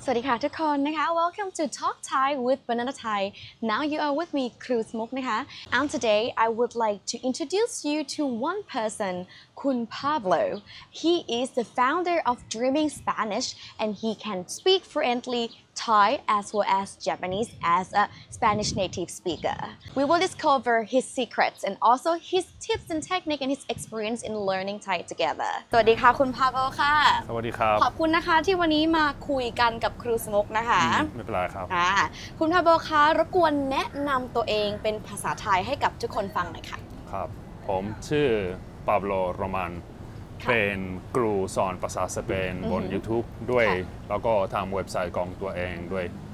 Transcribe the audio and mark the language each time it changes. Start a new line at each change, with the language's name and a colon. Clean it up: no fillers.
Thai: สวัสดีค่ะทุกคนนะคะ
English: Welcome to Talk Thai with Banana Thai. Now you are with me, Kru Smuk นะคะ And today I would like to introduce you to one person, Kun Pablo. He is the founder of Dreaming Spanish and he can speak fluently Thai as well as Japanese as a Spanish native speaker. We will discover his secrets and also his tips and technique and his experience in learning Thai together.
Thai: สวัสดีค่ะคุณ Pablo ค่ะ สวัสดีครับ ขอบคุณนะคะที่วันนี้มาคุยกันกับครูสมุกนะคะ ไม่เป็นไรครับ คุณพาโบคะรบกวนแนะนำตัวเองเป็นภาษาไทยให้กับทุกคนฟังหน่อยค่ะ ครับผมชื่อปาโบโรมันเป็นครูสอนภาษาสเปนบน YouTube ด้วยแล้วก็ทำเว็บไซต์ของตัวเองด้วย